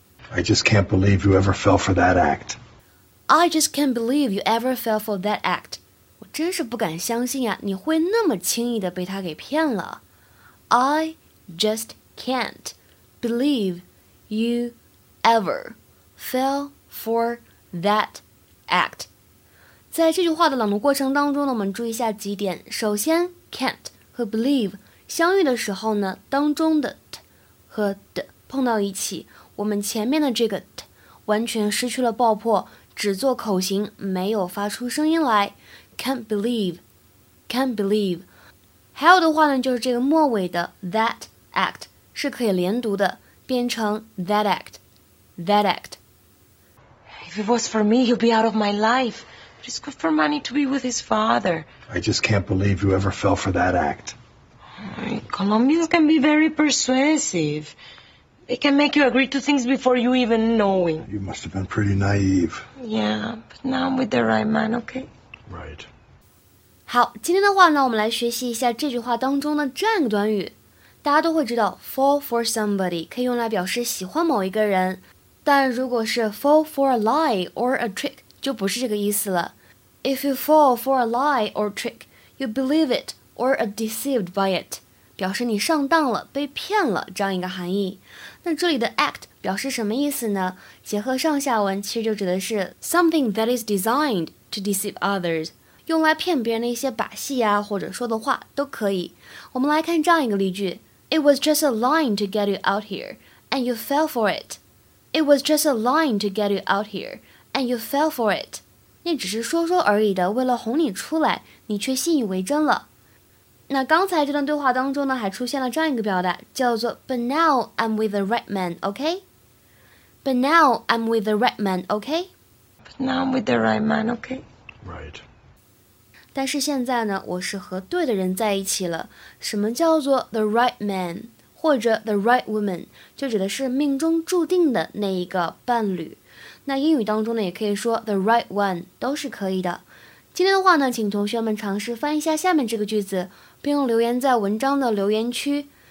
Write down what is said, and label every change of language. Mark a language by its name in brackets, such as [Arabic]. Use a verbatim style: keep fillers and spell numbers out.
[English] I just can't believe you ever fell for that act. I just can't believe you ever fell for that act. [Chinese] 我真是不敢相信啊，你会那么轻易的被他给骗了。 [English] I just can't believe you ever fell for that act. [Chinese] 在这句话的朗读过程当中呢，我们注意一下几点。首先 ，can't 和 believe 相遇的时候呢，当中的 t 和 d 碰到一起。我们前面的这个 t 完全失去了爆破，只做口型，没有发出声音来。 [English] Can't believe, can't believe。 [Chinese] 还有的话呢，就是这个末尾的 that act 是可以连读的，变成 that act, that act。 [English] If it was for me, he'd be out of my life. But it's good for Manny to be with his father. I just can't believe you ever fell for that act. Colombians can be very persuasive. It can make you agree to things before you even know it. You must have been pretty naive. Yeah, but now I'm with the right man, okay? Right. [Chinese] 好，今天的话呢，我们来学习一下这句话当中的这样一个短语。大家都会知道 fall for somebody 可以用来表示喜欢某一个人，但如果是 fall for a lie or a trick 就不是这个意思了。 [English] If you fall for a lie or trick, you believe it or are deceived by it. [Chinese] 表示你上当了，被骗了，这样一个含义。那这里的 act 表示什么意思呢？结合上下文，其实就指的是 [English] something that is designed to deceive others， [Chinese] 用来骗别人的一些把戏啊，或者说的话都可以。我们来看这样一个例句 [English] ：It was just a line to get you out here, and you fell for it. It was just a line to get you out here, and you fell for it. [Chinese] 那只是说说而已的，为了哄你出来，你却信以为真了。那刚才这段对话当中呢，还出现了这样一个表达，叫做 [English] But now I'm with the right man, okay? But now I'm with the right man, okay? But now I'm with the right man, okay? Right. [Chinese] 但是现在呢，我是和对的人在一起了。什么叫做 the right man 或者 the right woman？就指的是命中注定的那一个伴侣。那英语当中呢，也可以说 the right one， 都是可以的。今天的话呢，请同学们尝试翻译一下下面这个句子，并用留言在文章的留言区。